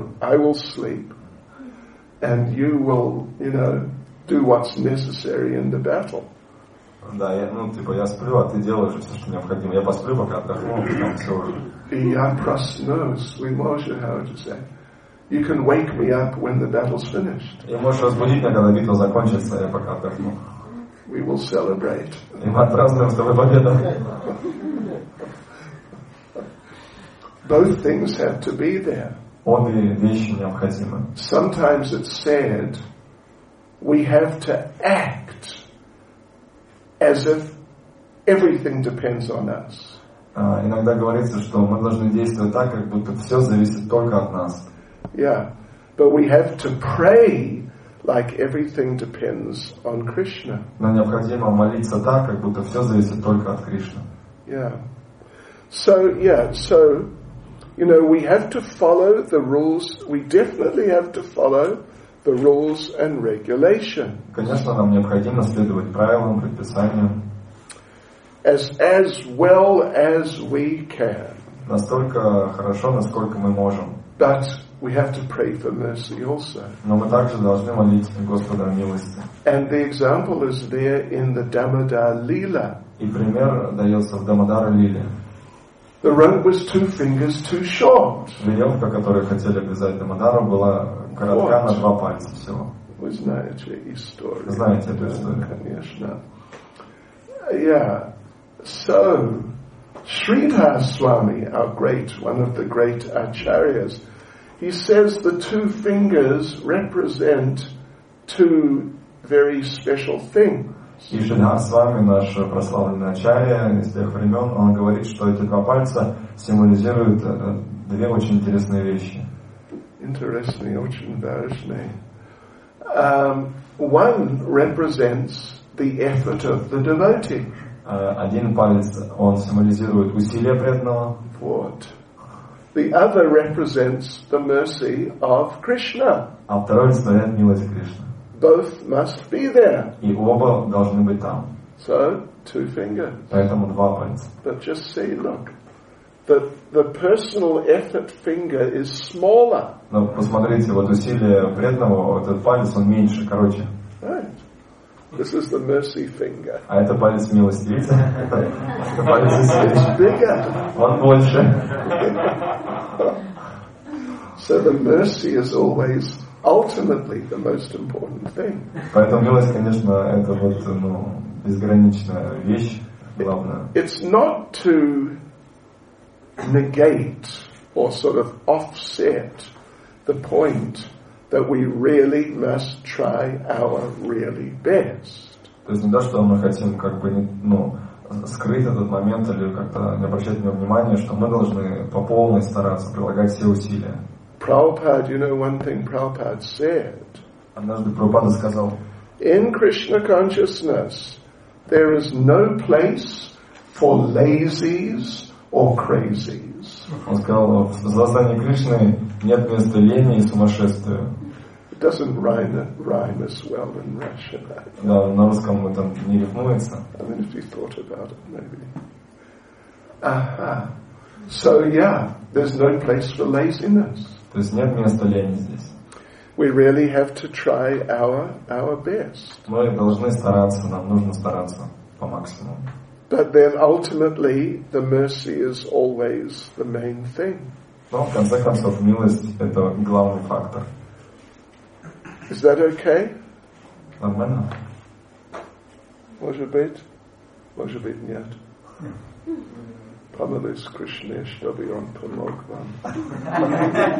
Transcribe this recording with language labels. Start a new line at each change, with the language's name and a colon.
English: I will sleep, and you will, you know, do what's necessary in the battle.
Russian: Да, я, ну, типа, я сплю, а ты делаешь все, что необходимо. Я посплю, пока отдохну, там все уже. И я проснусь.
English: We
Russian: можем,
English: how to say, you can wake me up when the battle's finished.
Russian: Я можешь разбудить меня, когда битва закончится, я пока отдохну.
English: We will celebrate.
Russian: И мы отпразднуем с тобой победу.
English: Both things have to be there.
Russian: Обе вещи необходимы.
English: Sometimes it's said we have to act as if everything depends on us.
Russian: Иногда говорится, что мы должны действовать так, как будто все зависит только от нас.
English: Yeah, but we have to pray like everything depends on Krishna.
Russian: Но необходимо молиться так, как будто все зависит только от Кришны.
English: Yeah. So. You know, we have to follow the rules. We definitely have to follow the rules and regulation.
Russian: Конечно, нам необходимо следовать правилам, предписаниям.
English: As well as we can.
Russian: Настолько хорошо, насколько мы можем.
English: But we have to pray for mercy also.
Russian: Но мы также должны молиться Господа о милости.
English: And the example is there in the Damodara Lila.
Russian: И пример дается в Дамодара Лиле.
English: The rope was two fingers too short.
Russian: Веревка, которую хотели обвязать Дамодару, была коротка на два пальца всего. Вы знаете историю. Знаете эту историю. Конечно.
English: Yeah. So, Sridhar Swami, one of the great acharyas, he says the two fingers represent two very special things.
Russian: И Шридхар Свами, наш прославленный ачарья из тех времен, он говорит, что эти два пальца символизируют две очень интересные вещи. Интересные, очень важные.
English: One represents the effort of the devotee.
Russian: Один палец, он символизирует усилие преданного.
English: What? The other represents the mercy of Krishna.
Russian: А второй стоит милость Кришны.
English: Both must be there.
Russian: И оба должны быть там.
English: So, two fingers.
Russian: Поэтому два пальца.
English: But just see, look. the personal effort finger is smaller.
Russian: Но посмотрите, вот усилие преданного, этот палец, он меньше, короче.
English: This is the mercy finger.
Russian: А это палец милости, видите? Это палец усилия.
English: It's bigger.
Russian: Он больше.
English: So the mercy is always ultimately the most important thing.
Russian: Поэтому милость, конечно, это вот, ну, безграничная вещь, главное.
English: It's not to negate or sort of offset the point that we really must try our really best.
Russian: То есть не то, что мы хотим как бы, ну, скрыть этот момент или как-то не обращать на него внимания, что мы должны по полной стараться, прилагать все усилия.
English: Prabhupada, you know one thing Prabhupada said.
Russian: Однажды Прабхупада сказал:
English: In Krishna consciousness, there is no place for lazies or crazies.
Russian: Он сказал: в сознании Кришны нет места лени и сумасшествию.
English: It doesn't rhyme as well in Russian.
Russian: Да, на русском это не рифмуется.
English: I mean, if you thought about it, maybe. So yeah, there's no place for laziness.
Russian: То есть нет места лени здесь.
English: We really have to try our best.
Russian: Мы должны стараться, нам нужно стараться по максимуму.
English: But then ultimately the mercy is always the main thing.
Russian: Но в конце концов милость это главный фактор.
English: Is that okay?
Russian: Нормально. Может быть нет. Помолись Кришне, чтобы он помог вам.